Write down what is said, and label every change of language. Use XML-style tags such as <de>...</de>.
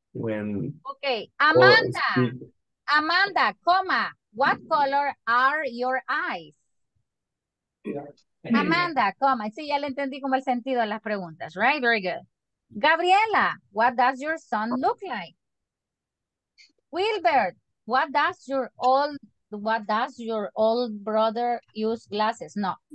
<en>Okay, Amanda, Amanda, comma, what color are your eyes?</en> <es>Amanda, comma, sí, ya le entendí como el sentido de las preguntas, right?</es> <en>Very good. Gabriela, what does your son look like? Wilbert, what does your old brother use glasses? No.</en>